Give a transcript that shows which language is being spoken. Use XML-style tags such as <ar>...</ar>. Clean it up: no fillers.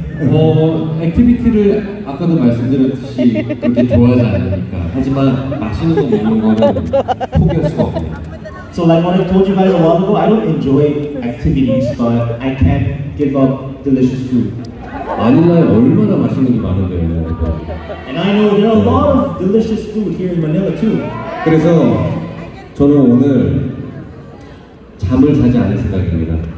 <ko>뭐 액티비티를 아까도 말씀드렸듯이 그렇게 좋아하지 않으니까 하지만 맛있는 거 먹는 거는 포기할 수가 없어요.</ko> <en>So like what I told you guys a while ago, I don't enjoy activities, but I can't give up delicious food.</en> <ko>마닐라에 얼마나 맛있는 게 많은데요.</ko> <en>And I know there are a lot of delicious food here in Manila too.</en> <ko>그래서 저는 오늘 잠을 자지 않을 생각입니다.</ko>